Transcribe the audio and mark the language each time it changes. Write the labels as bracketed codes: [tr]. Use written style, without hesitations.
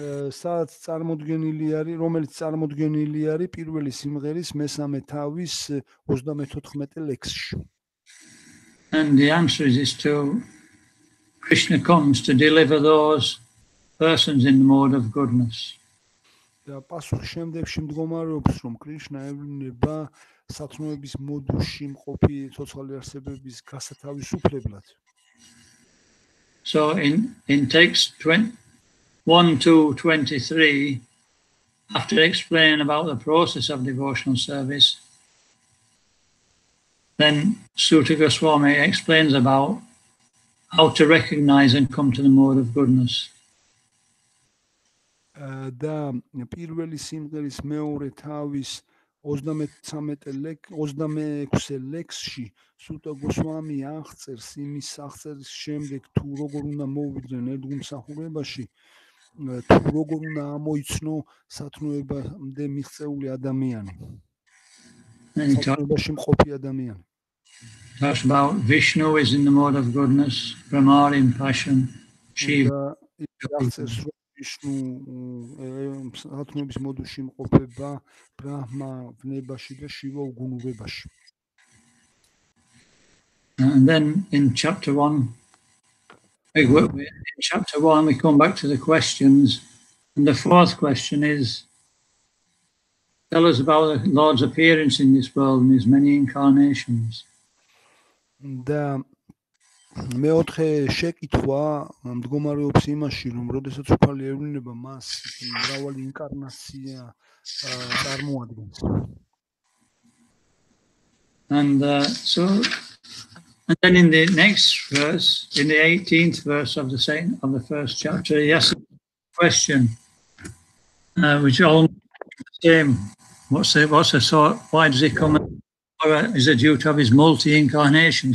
[ka] სადაც წარმოდგენილი არის, რომელიც წარმოდგენილი არის პირველი სიმღერის მესამე თავის 34 ლექსში. [en] And the answer is to Krishna comes to deliver those persons in the mode of goodness. [ka] და პასუხი შემდეგში მდგომარეობს, რომ კრიშნა ევლინება სათნოების მოდულში მყოფი ცოცხალი არსებების გასათავისუფლებლად. [en] So in text 20 1223 after explaining about the process of devotional service then Suta Goswami explains about how to recognize and come to the mode of goodness [ka] და პირველი სიმღერის მეორე თავის 33-ე ლექსში სუტა გოსვამი აღწერს იმის აღწერის შემდეგ თუ როგორ უნდა მოვიდნენ ერთგულ სახურებაში თუ როგორ უნდა ამოიცნო სათნოებამდე მიღწეული ადამიანი. სათნოებაში მყოფი ადამიანი. [en] Talks about Vishnu is in the mode of goodness, Brahma in passion, Shiva. [ka] აღწერს ვიშნუ სათნოების მოდულში მყოფება, ბრაჰმა ვნებაში და შივა უგუნობაში. [en] And then in chapter 1 in chapter 1 we come back to the questions and the fourth question is tell us about the Lord's appearance in this world and his many incarnations [ka] და მეოთხე შეკითხვა მდგომარეობს იმაში რომ როდესაც უფალი ევლინება მას მრავალი ინკარნაცია წარმოადგენს [en] and so And then in the next verse, in the 18th verse of the same, of the first chapter, he asks a question, which is all the same. What's the sort, why does he come? Or is it due to have his multi-incarnation?